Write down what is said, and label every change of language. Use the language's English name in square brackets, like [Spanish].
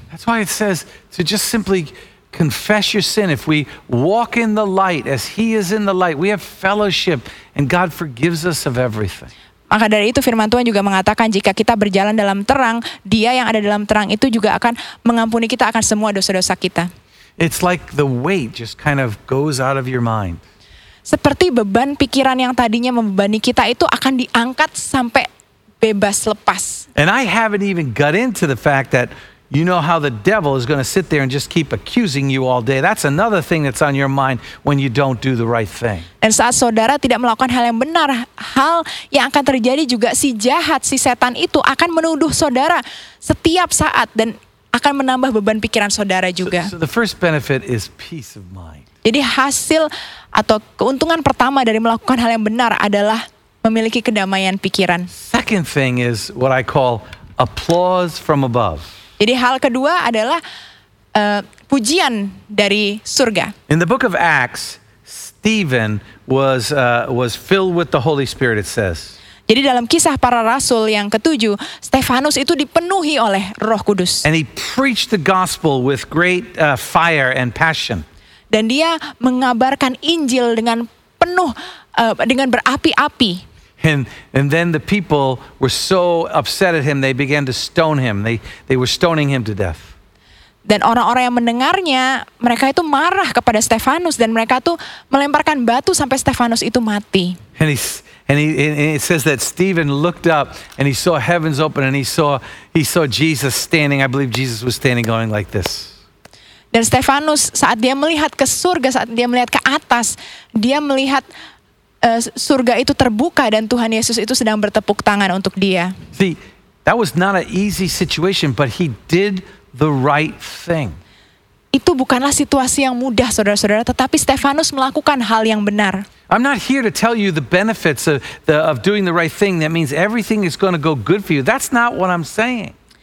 [English] That's why it says to just simply confess your sin. If we walk in the light as he is in the light, we have fellowship and God forgives us of everything. [Indonesian] Maka dari itu firman Tuhan juga mengatakan jika kita berjalan dalam terang, Dia yang ada dalam terang itu juga akan mengampuni kita akan semua dosa-dosa kita. [English] It's like the weight just kind of goes out of your mind. [Indonesian] Seperti beban pikiran yang tadinya membebani kita itu akan diangkat sampai bebas lepas. [English] And I haven't even got into the fact that you know how the devil is going to sit there and just keep accusing you all day. That's another thing that's on your mind when you don't do the right thing. [Indonesian] Dan saat saudara tidak melakukan hal yang benar, hal yang akan terjadi juga si jahat, si setan itu akan menuduh saudara setiap saat dan akan menambah beban pikiran saudara juga. [English] So the first benefit is peace of mind. [Indonesian] Jadi hasil atau keuntungan pertama dari melakukan hal yang benar adalah memiliki kedamaian pikiran. [English] Second thing is what I call applause from above. [Indonesian] Jadi hal kedua adalah pujian dari surga. [English] In the book of Acts, Stephen was filled with the Holy Spirit, it says. [Indonesian] Jadi dalam kisah para rasul yang ketujuh, Stefanus itu dipenuhi oleh Roh Kudus. [English] And he preached the gospel with great fire and passion. [Indonesian] Dan dia mengabarkan Injil dengan penuh dengan berapi-api. [English] And then the people were so upset at him, they began to stone him. They were stoning him to death. [Indonesian] Dan orang-orang yang mendengarnya, mereka itu marah kepada Stefanus dan mereka tuh melemparkan batu sampai Stefanus itu mati. [English] And it says that Stephen looked up and he saw heavens open and he saw Jesus standing. I believe Jesus was standing going like this. [Indonesian] Dan Stefanus saat dia melihat ke surga, saat dia melihat ke atas, dia melihat surga itu terbuka dan Tuhan Yesus itu sedang bertepuk tangan untuk dia. [English] See, that was not an easy situation, but he did the right thing. [Indonesian] Itu bukanlah situasi yang mudah, saudara-saudara, tetapi Stefanus melakukan hal yang benar. [English] I'm not here to tell you the benefits of doing the right thing. That means everything is going to go good for you. That's not what I'm saying.